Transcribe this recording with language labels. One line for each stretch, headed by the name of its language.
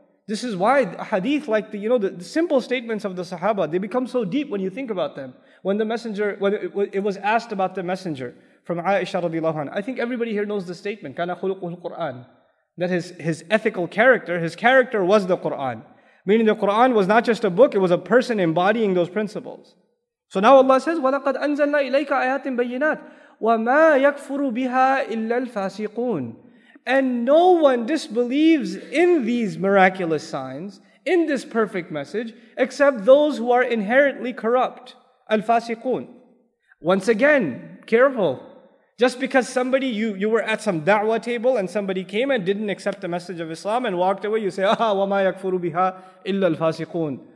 English: This is why hadith, like the simple statements of the Sahaba, they become so deep when you think about them. When the Messenger, when it was asked about the Messenger from Aisha radiallahu anha, I think everybody here knows the statement,
Arabic: kana khuluquhu al-Qur'an,
English: that his ethical character, his character was the Qur'an. Meaning the Qur'an was not just a book, it was a person embodying those principles. So now Allah says,
Arabic: وَلَقَدْ أَنزَلْنَا إِلَيْكَ آيَاتٍ بَيِّنَاتٍ وَمَا يَكْفُرُ بِهَا إِلَّا الْفَاسِقُونَ.
English: And no one disbelieves in these miraculous signs, in this perfect message, except those who are inherently corrupt. Al-Fasiqoon. Once again, careful. Just because somebody, you were at some da'wah table and somebody came and didn't accept the message of Islam and walked away, you say, "Ah,
Arabic: wa ma yakfuru biha illa al-Fasiqoon."